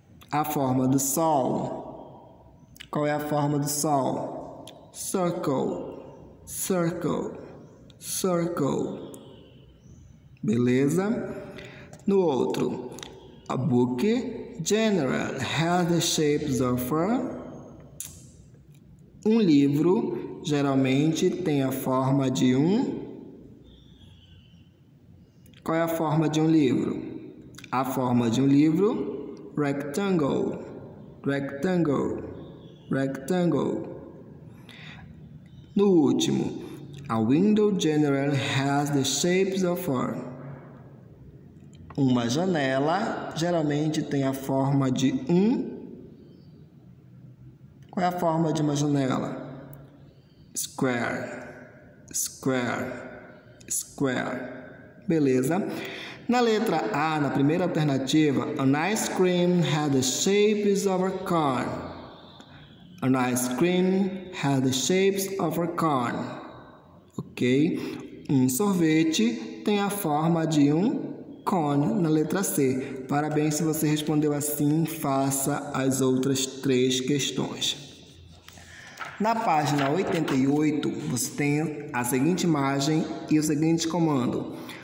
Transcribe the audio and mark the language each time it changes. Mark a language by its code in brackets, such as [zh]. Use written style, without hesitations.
[pt] A forma do sol. Qual é a forma do sol? [en] Circle. Circle. Circle. [pt] Beleza? No outro. [en] A book generally has the shapes of a... [pt] Um livro geralmente tem a forma de um. Qual é a forma de um livro? A forma de um livro, [en] rectangle. Rectangle. Rectangle. [pt] No último, [en] a window generally has the shapes of form. [pt] Uma janela geralmente tem a forma de um. Qual é a forma de uma janela? [en] Square, square, square. [pt] Beleza. Na letra A, na primeira alternativa, [en] an ice cream had the shapes of a corn. An ice cream had the shapes of a corn. Ok? [pt] Um sorvete tem a forma de um cone, na letra C. Parabéns se você respondeu assim, faça as outras três questões. Na página 88, você tem a seguinte imagem e o seguinte comando.